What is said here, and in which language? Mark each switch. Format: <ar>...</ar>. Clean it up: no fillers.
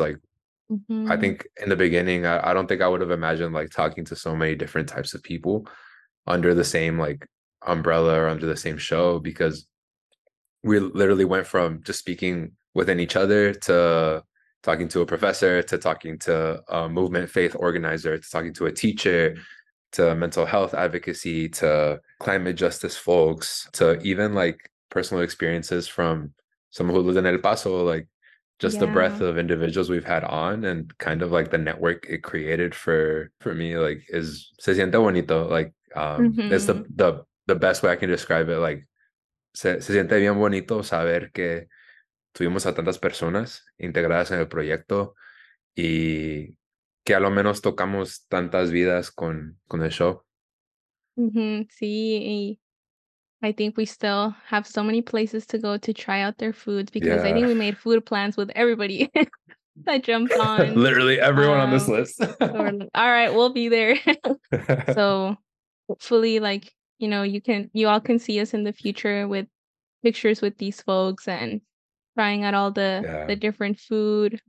<en>Like, I think in the beginning, I don't think I would have imagined, like, talking to so many different types of people under the same, like, umbrella or under the same show, because we literally went from just speaking within each other to talking to a professor, to talking to a movement faith organizer, to talking to a teacher, to mental health advocacy, to climate justice folks, to even, like, personal experiences from someone who lives in El Paso. Like, just the breadth of individuals we've had on and kind of, like, the network it created for me, like, is</en> <es>se siente bonito.</es> <en>Like, it's the best way I can describe it.</en> <es>Like, se siente bien bonito saber que tuvimos a tantas personas integradas en el proyecto y que a lo menos tocamos tantas vidas con el show. Sí,</es> <en>I think we still have so many places to go to try out their foods, because I think we made food plans with everybody that jumped on. Literally everyone on this list. All right, we'll be there. So hopefully, like, you know, you all can see us in the future with pictures with these folks and trying out all the different food.</en>